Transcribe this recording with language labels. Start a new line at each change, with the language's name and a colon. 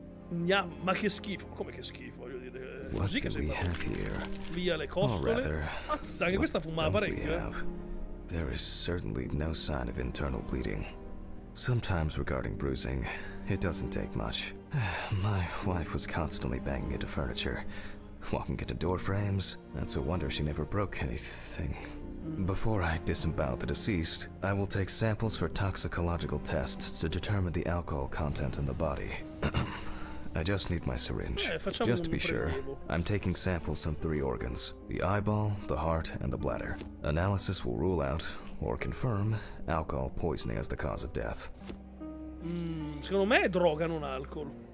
Italian: Ma che schifo, come che schifo, voglio dire.
English: What
Italian: così
English: do
Italian: che
English: we have here?
Italian: Via le costole.
English: Rather,
Italian: mazza, anche questa fumava parecchio.
English: There is certainly no sign of internal bleeding. Sometimes regarding bruising, it doesn't take much. My wife was constantly banging into furniture, walking into door frames. That's a wonder she never broke anything. Before I disembowel the deceased, I will take samples for toxicological tests to determine the alcohol content in the body. I just need my syringe. Just to be sure, I'm taking samples from three organs: the eyeball, the heart, and the bladder. Analysis will rule out or confirm alcohol poisoning as the cause of death.
Italian: Secondo me è droga, non alcol.